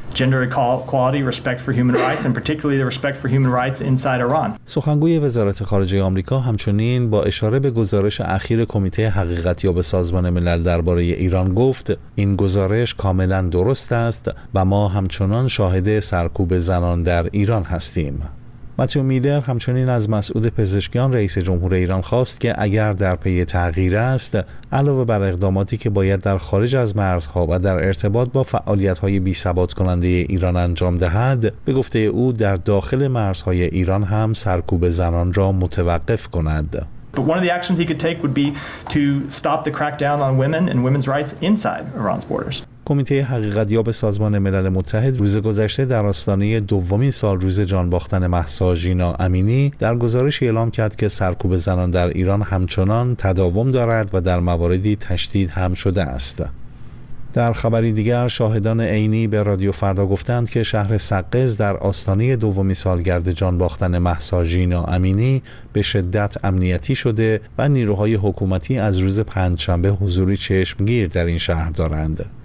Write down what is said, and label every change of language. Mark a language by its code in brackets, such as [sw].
[en] Gender equality, respect for human rights and particularly the respect for human rights inside. [fa] سخنگوی وزارت خارجه آمریکا همچنین با اشاره به گزارش اخیر کمیته حقیقت‌یاب سازمان ملل درباره ایران گفت این گزارش کاملا درست است و ما همچنان شاهد سرکوب زنان در ایران هستیم. متیو میلر همچنین از مسعود پزشکیان رئیس جمهور ایران خواست که اگر در پی تغییر است، علاوه بر اقداماتی که باید در خارج از مرزها و در ارتباط با فعالیت‌های بی‌ثبات کننده ایران انجام دهد، به گفته او در داخل مرزهای ایران هم سرکوب زنان را متوقف کند. [en] But one of the actions he could take would be to stop the crackdown on women and women's rights inside Iran's borders. [fa] کمیته حقیقت‌یاب سازمان ملل متحد روز گذشته در آستانه دومین سال روز جان باختن مهسا ژینا امینی در گزارشی اعلام کرد که سرکوب زنان در ایران همچنان تداوم دارد و در مواردی تشدید هم شده است. در خبری دیگر، شاهدان عینی به رادیو فردا گفتند که شهر سقز در آستانه دومین سالگرد جان باختن مهسا ژینا امینی به شدت امنیتی شده و نیروهای حکومتی از روز پنجشنبه حضوری چشمگیر در این شهر دارند.